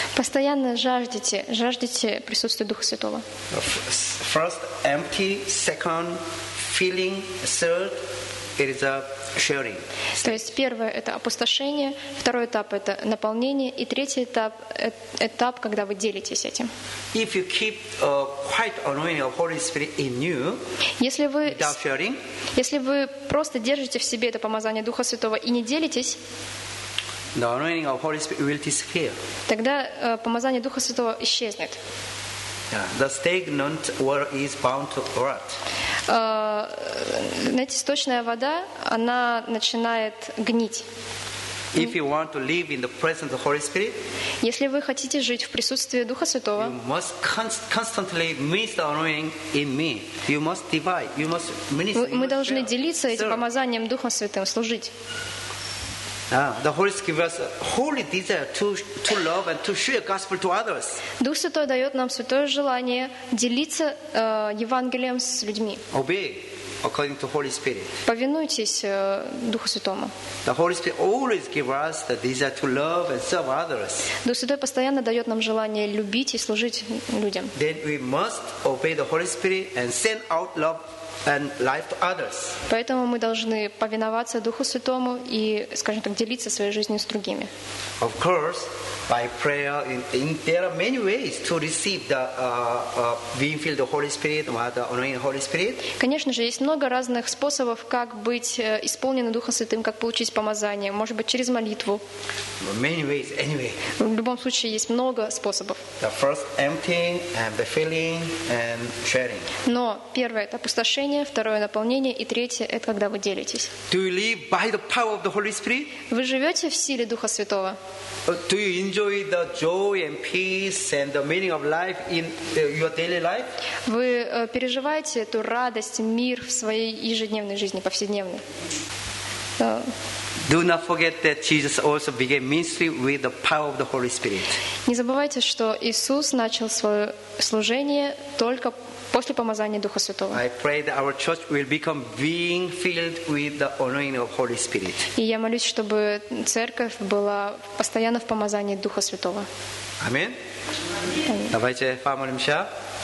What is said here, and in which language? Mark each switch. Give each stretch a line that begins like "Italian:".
Russian: Постоянно жаждите присутствия Духа Святого.
English: First empty, second filling, third it is a sharing.
Russian: То есть первое это опустошение, второй этап это наполнение и третий этап этап, когда вы делитесь этим.
English: If you keep quiet anointing of Holy Spirit in you, without sharing,
Russian: если вы просто держите в себе это помазание Духа Святого и не делитесь,
English: the anointing of Holy Spirit will disappear.
Russian: Тогда помазание Духа Святого исчезнет.
English: Yeah, the stagnant water is bound to rot.
Russian: Знаете, сточная вода, она начинает гнить.
English: If you want to live in the presence of the Holy Spirit,
Russian: если вы хотите жить в присутствии Духа Святого,
English: you must constantly miss the anointing in me. You must divide. You must minister.
Russian: Мы должны делиться этим помазанием Духа Святым, служить.
English: The Holy Spirit gives us a holy desire to love and to share gospel to others.
Russian: Дух Святой дает нам святое желание делиться Евангелием с людьми.
English: Obey according to Holy Spirit.
Russian: Повинуйтесь Духу Святому.
English: The Holy Spirit always gives us the desire to love and serve others.
Russian: Дух Святой постоянно дает нам желание любить и служить людям.
English: Then we must obey the Holy Spirit and send out love and life to others.
Russian: Поэтому мы должны повиноваться Духу Святому и, скажем так, делиться своей жизнью с другими.
English: Of course, by prayer, there are many ways to receive the being filled with the Holy Spirit, the anointing of Holy Spirit.
Russian: Конечно же, есть много разных способов, как быть исполненным Духом Святым, как получить помазание. Может быть, через молитву.
English: Many ways, anyway.
Russian: В любом случае, есть много способов.
English: The first emptying and the filling and sharing.
Russian: Но первое это опустошение. Второе наполнение и третье это когда вы делитесь.
English: Do you live by the power of the Holy Spirit?
Russian: Вы живете в силе Духа Святого?
English: Do you enjoy the joy and peace and the meaning of life in your daily life?
Russian: Вы переживаете эту радость, мир в своей ежедневной жизни, повседневной?
English: Do not forget that Jesus also began ministry with the power of the Holy Spirit.
Russian: Не забывайте, что Иисус начал свое служение только после помазания Духа Святого.
English: I pray that our church will become being filled with the anointing of Holy Spirit.
Russian: И я молюсь, чтобы церковь была постоянно в помазании Духа Святого. Аминь. Давайте помолимся.